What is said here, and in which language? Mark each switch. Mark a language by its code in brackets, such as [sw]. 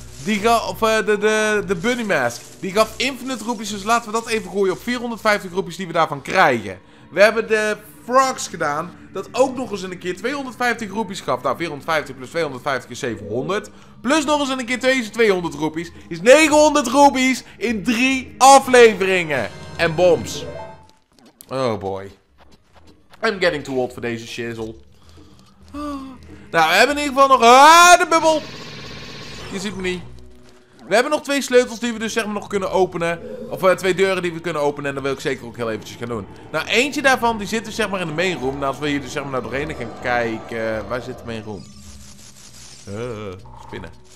[nl] De Bunny Mask. Die gaf infinite roepies, dus laten we dat even gooien op 450 roepies die we daarvan krijgen. We hebben de... Frogs gedaan, dat ook nog eens in een keer 250 roepies gaf. Nou, 450 plus 250 is 700. Plus nog eens in een keer 200 roepies. Is 900 roepies in 3 afleveringen. En bombs. Oh boy. [en] I'm getting too old for deze shizzle. [nl] Nou, we hebben in ieder geval nog... de bubbel! Je ziet me niet. We hebben nog twee sleutels die we dus zeg maar nog kunnen openen. Of twee deuren die we kunnen openen. En dat wil ik zeker ook heel eventjes gaan doen. Nou, eentje daarvan die zit dus zeg maar in de main room. Nou, als we hier dus zeg maar naar doorheen gaan kijken... waar zit de main room? Spinnen.